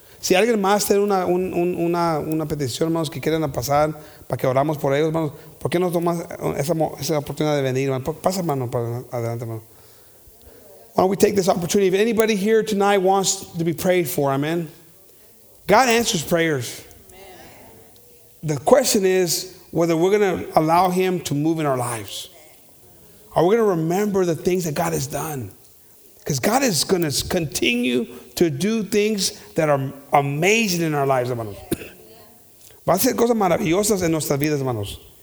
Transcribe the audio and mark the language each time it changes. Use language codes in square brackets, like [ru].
[es] Si alguien más tiene una petición, hermanos, que quieran pasar para que oramos por ellos, hermanos, ¿por qué no tomas esa oportunidad de venir, hermano? Pasa, hermano, para adelante, hermano. [en] Why don't we take this opportunity? If anybody here tonight wants to be prayed for, amen? God answers prayers. The question is, whether we're going to allow him to move in our lives. Are we going to remember the things that God has done? Because God is going to continue to do things that are amazing in our lives, hermanos. [es] Va a hacer cosas maravillosas en nuestras vidas, hermanos.